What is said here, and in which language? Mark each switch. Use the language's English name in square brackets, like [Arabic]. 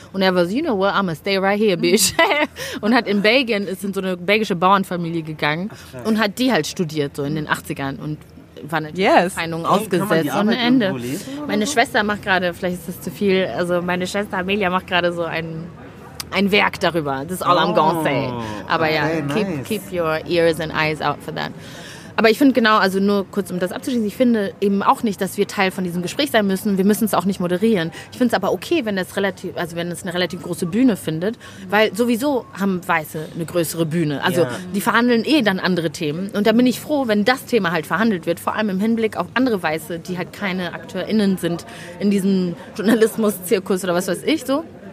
[German] Und er war so, [English] you know what, I'm gonna stay right here, bitch. [German] Und hat in Belgien, ist in so eine belgische Bauernfamilie gegangen und hat die halt studiert, so in den 80ern. Und war natürlich eine Feindung ausgesetzt. Und ein Ende. Meine Schwester macht gerade, vielleicht ist das zu viel, also meine Schwester Amelia macht gerade so ein Werk darüber. [English] This is all I'm gonna say. [German] Aber okay, ja, [English] keep your ears and eyes out for that. [German] Aber ich finde genau, also nur kurz, um das abzuschließen, ich finde eben auch nicht, dass wir Teil von diesem Gespräch sein müssen. Wir müssen es auch nicht moderieren. Ich finde es aber okay, wenn es eine relativ große Bühne findet, weil sowieso haben Weiße eine größere Bühne. Also die verhandeln eh dann andere Themen. Und da bin ich froh, wenn das Thema halt verhandelt wird, vor allem im Hinblick auf andere Weiße, die halt keine AkteurInnen sind in diesem Journalismus-Zirkus oder was weiß ich so.